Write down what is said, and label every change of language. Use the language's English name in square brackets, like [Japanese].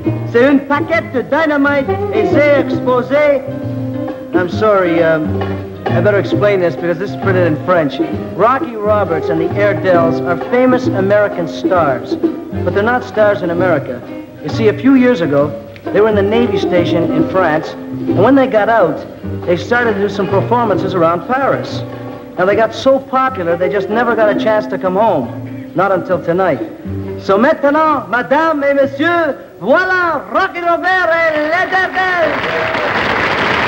[French] C'est une paquette de dynamite et c'est exposé. [English] I'm sorry, I better explain this because this is printed in French. Rocky Roberts and the Airedales are famous American stars, but they're not stars in America. You see, a few years ago, they were in the Navy station in France, and when they got out, they started to do some performances around Paris. Now, they got so popular, they just never got a chance to come home, not until tonight. [French] So maintenant, madame et monsieur, voilà Rocky Roberts et les Airedales!